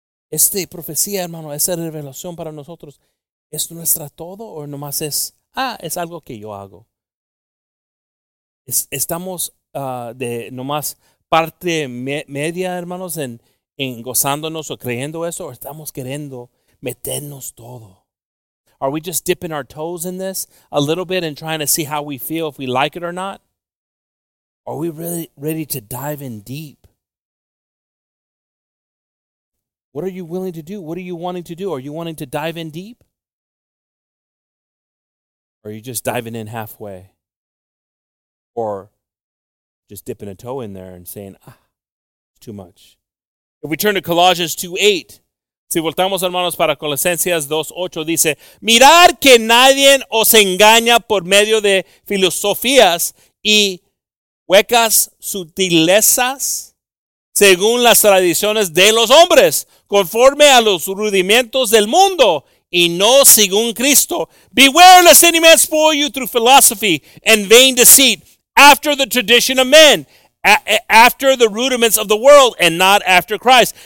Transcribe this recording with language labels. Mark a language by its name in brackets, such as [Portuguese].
[Spanish] Esta profecía, hermano, esa revelación para nosotros, ¿es nuestra todo o nomás es? Ah, es algo que yo hago. Estamos de nomás parte media, hermanos, en gozándonos o creyendo eso, o estamos queriendo meternos todo. [English] Are we just dipping our toes in this a little bit and trying to see how we feel, if we like it or not? Are we really ready to dive in deep? What are you willing to do? What are you wanting to do? Are you wanting to dive in deep? Or are you just diving in halfway? Or just dipping a toe in there and saying, ah, too much? If we turn to Colossians 2:8, [Spanish] si voltamos, hermanos, para Colosenses 2:8, dice, mirad que nadie os engaña por medio de filosofías y huecas sutilezas según las tradiciones de los hombres, conforme a los rudimentos del mundo, y no según Cristo. [English] Beware lest any man spoil you through philosophy and vain deceit, after the tradition of men, after the rudiments of the world, and not after Christ.